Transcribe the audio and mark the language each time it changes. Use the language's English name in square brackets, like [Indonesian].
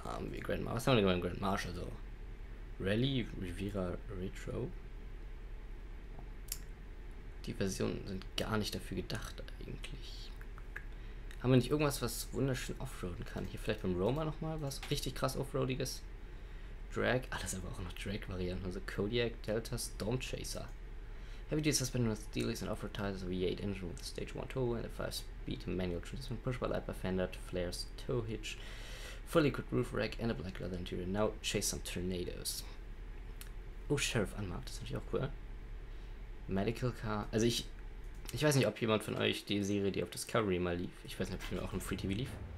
[German] Wie Grand Marshal. Was haben wir denn bei Grand Marshal so? Rally, Riviera, Retro. Die Versionen sind gar nicht dafür gedacht eigentlich. Haben wir nicht irgendwas, was wunderschön offroaden kann? Hier vielleicht beim Roma nochmal was richtig krass offroadiges. Drag, ah, das ist aber auch noch Drag-Varianten. Also Kodiak, Delta, Storm Chaser. [English] Heavy Duty Suspension with Steelies and Offroad Tires, V8 Engine with Stage 1 Tow, and a 5-speed manual transmission, pushable light by fender, flares, tow hitch. Fully equipped roof rack and a black leather interior. Now chase some tornadoes. Oh, Sheriff unmarked. [German] Das ist natürlich auch cool. Medical Car. Also ich weiß nicht, ob jemand von euch die Serie, die auf Discovery mal lief. Ich weiß nicht, ob die mir auch im Free TV lief.